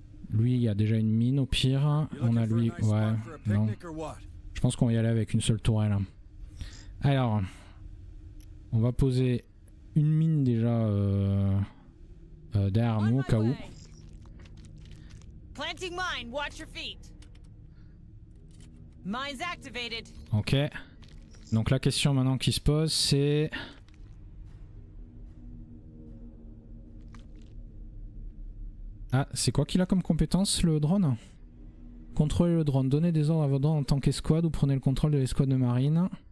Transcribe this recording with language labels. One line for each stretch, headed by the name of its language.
French: Lui il y a déjà une mine au pire. On a lui... Ouais, non. Je pense qu'on va y aller avec une seule tourelle. Alors, on va poser une mine déjà derrière nous au cas où.
English: Planting mine, watch your feet. Mine's activated.
French: Ok. Donc la question maintenant qui se pose, c'est... Ah, c'est quoi qu'il a comme compétence, le drone? Contrôlez le drone, donnez des ordres à votre drone en tant qu'escouade ou prenez le contrôle de l'escouade de marine.